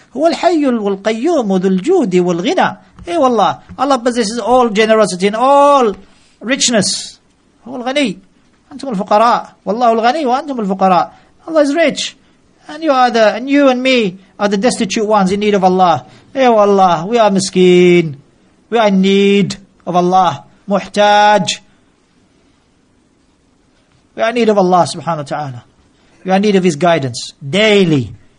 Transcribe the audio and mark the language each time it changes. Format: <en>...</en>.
<ar>هو الحي والقيوم ذو الجود والغنى.</ar> <en>Hey, والله, Allah possesses all generosity and all richness.</en> <ar>هو الغني أنتم الفقراء والله الغني وأنتم الفقراء.</ar> <en>Allah is rich and you are the, and you and me are the destitute ones in need of Allah. Hey, والله, we are miskeen, we are in need of Allah, محتاج. We are in need of Allah subhanahu wa ta'ala. We are in need of His guidance daily.</en>